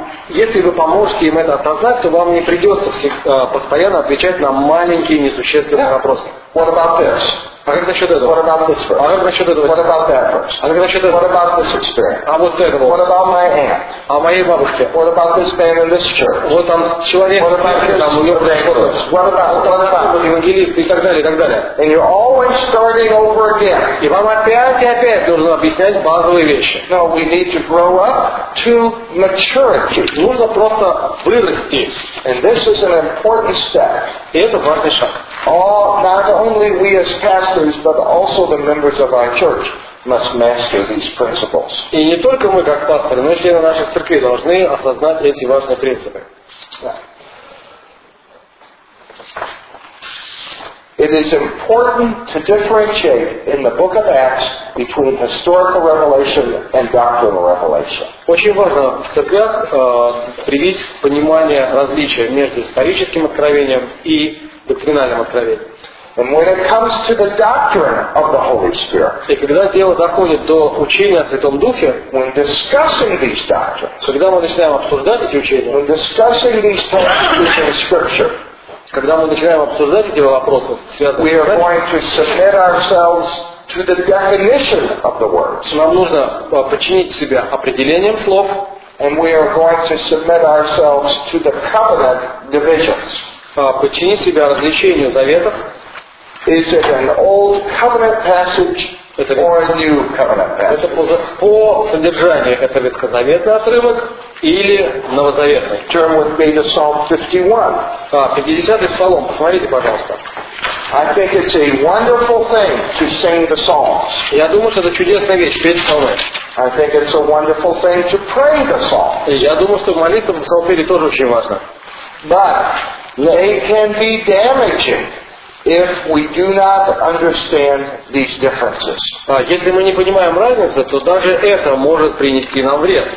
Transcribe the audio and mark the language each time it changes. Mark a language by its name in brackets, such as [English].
[Russian] Если вы поможете им это осознать, то вам не придется постоянно отвечать на маленькие несущественные вопросы. [English] What about this? [Russian] А как насчет этого? [English] What about this first? [Russian] А как насчет этого? [English] What about that first? [Russian] А как насчет этого? [English] What about this experience? [Russian] А вот этого? [English] What about my aunt? [Russian] А моей бабушке? [English] What about this man in this church? [Russian] Вот там человек, [English] what about [Russian] церкви, там у него [English] What about [Russian] евангелист и так далее, и так далее. [English] And you're always starting over again. [Russian] И вам опять и опять нужно объяснять базовые вещи. [English] No, we need to grow up to maturity. [Russian] Нужно просто вырасти. [English] And this is an important step. [Russian] И это важный шаг. [English] Not only we as pastors, but also the members of our church must master these principles. [Russian] И не только мы как пасторы, но и члены нашей церкви должны осознать эти важные принципы. [English] It is important to differentiate in the book of Acts between historical revelation and doctrinal revelation. [Russian] Очень важно в церквях привить понимание различия между историческим откровением и доктринальным откровением. [English] And when it comes to the doctrine of the Holy Spirit, [Russian] и когда дело доходит до учения о Святом Духе, [English] when discussing these doctrines, [Russian] когда мы начинаем обсуждать эти учения, [English] when discussing these texts in Scripture, [Russian] когда мы начинаем обсуждать эти вопросы, [English] we are going to submit ourselves to the definition of the words. [Russian] Нам нужно подчинить себя определениям слов, [English] and we are going to submit ourselves to the covenant divisions. [Russian] Подчинить себя развлечению заветов. [English] Is it an old covenant passage or a new covenant passage? [Russian] Это по содержанию это ветхозаветный отрывок или новозаветный? [English] Turn with me to Psalm 51. [Russian] 50-й псалом, посмотрите, пожалуйста. [English] I think it's a wonderful thing to sing the psalms. [Russian] Я думаю, что это чудесная вещь петь псалмы. [English] I think it's a wonderful thing to pray the psalms. [Russian] Я думаю, что молиться в псалтире тоже очень важно. [English] But they can be damaging. If we do not understand these differences. [Russian] Если мы не понимаем разницы, то даже это может принести нам вред.